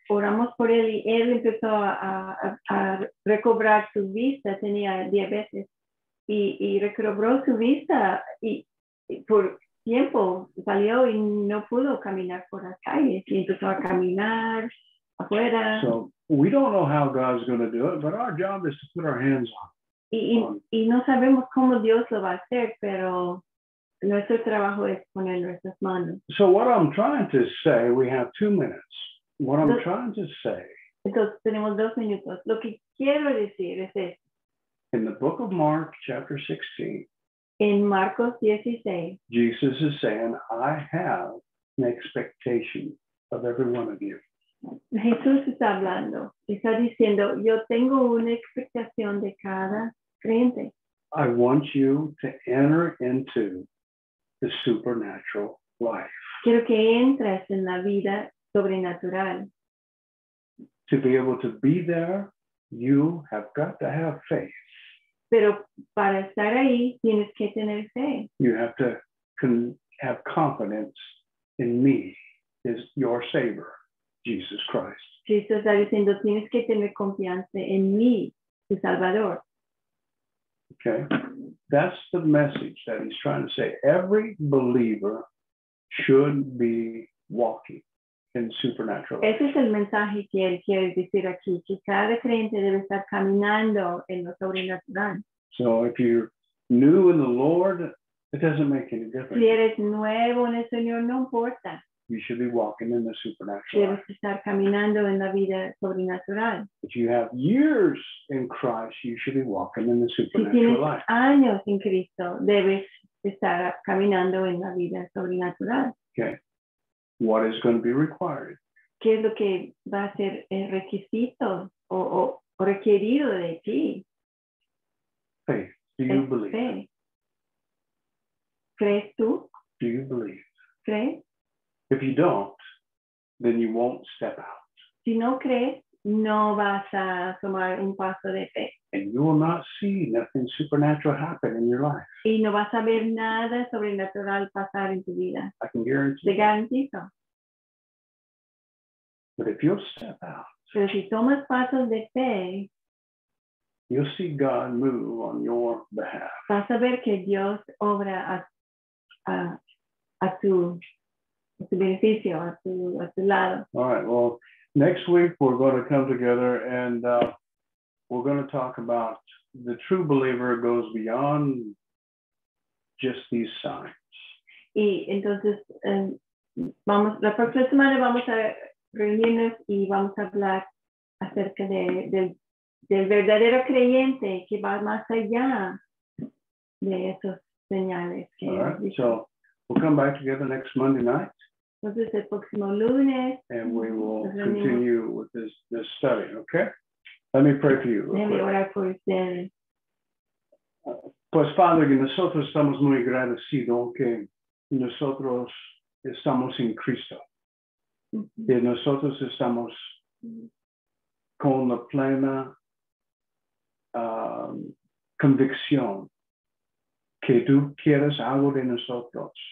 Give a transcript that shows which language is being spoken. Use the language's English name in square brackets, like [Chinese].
[Spanish] Oramos por él y él empezó a recobrar su vista. Tenía diabetes y recobró su vista y por tiempo salió y no pudo caminar por las calles y empezó a caminar afuera. [English] So we don't know how God's going to do it, but our job is to put our hands on. [Spanish] Y no sabemos cómo Dios lo va a hacer, pero nuestro trabajo es poner nuestras manos. [English] So what I'm trying to say, we have 2 minutes. What I'm trying to say. [Spanish] Entonces tenemos 2 minutos. Lo que quiero decir es esto. [English] In the book of Mark, chapter 16. [Spanish] In Marcos 16, [English] Jesus is saying, I have an expectation of every one of you. [Spanish] Jesús está hablando, está diciendo, yo tengo una expectación de cada creyente. [English] I want you to enter into the supernatural life. [Spanish] Quiero que entres en la vida sobrenatural. [English] To be able to be there, you have got to have faith. [Spanish] Pero para estar ahí, tienes que tener fe. [English] You have to have confidence in me, as your Savior, Jesus Christ. [Spanish] Cristo está diciendo, tienes que tener confianza en mí, tu Salvador. [English] Okay. That's the message that he's trying to say. Every believer should be walking in supernatural. [Spanish] Ese es el mensaje que él quiere decir aquí, que cada creyente debe estar caminando en lo sobrenatural. [English] So if you're new in the Lord, it doesn't make any difference. [Spanish] Si eres nuevo en el Señor, no importa. [English] You should be walking in the supernatural. [Spanish] Debes estar caminando en la vida sobrenatural. [English] If you have years in Christ, you should be walking in the supernatural. [Spanish] Si tienes [English] life. [Spanish] Años en Cristo, debes estar caminando en la vida sobrenatural. [English] Okay. What is going to be required? [Spanish] ¿Qué es lo que va a ser el requisito o requerido de ti? [English] Faith. Do you believe? [Spanish] Fe. ¿Crees tú? [English] Do you believe? [Spanish] ¿Crees? [English] If you don't, then you won't step out. [Spanish] Si no crees, no vas a tomar un paso de fe. [English] And you will not see nothing supernatural happen in your life. [Spanish] Y no vas a ver nada sobrenatural pasar en tu vida. [English] I can guarantee. [Spanish] Te garantizo. [English] But if you'll step out. [Spanish] Pero si tomas pasos de fe. [English] You'll see God move on your behalf. [Spanish] Vas a ver que Dios obra a tu beneficio, a tu lado. [English] All right, well, next week we're going to come together and we're going to talk about the true believer goes beyond just these signs. [Spanish] Y entonces vamos, la próxima semana vamos a reunirnos y vamos a hablar acerca de, del verdadero creyente que va más allá de esos señales. Que [English] all right, so we'll come back together next Monday night. [Spanish] Entonces el próximo lunes. [English] And we will continue with this study, okay? Let me pray for you. [Spanish] Déjame orar por ustedes. Pues, Padre, que nosotros estamos muy agradecidos que nosotros estamos en Cristo. Mm-hmm. Que nosotros estamos con la plena convicción que tú quieres algo de nosotros.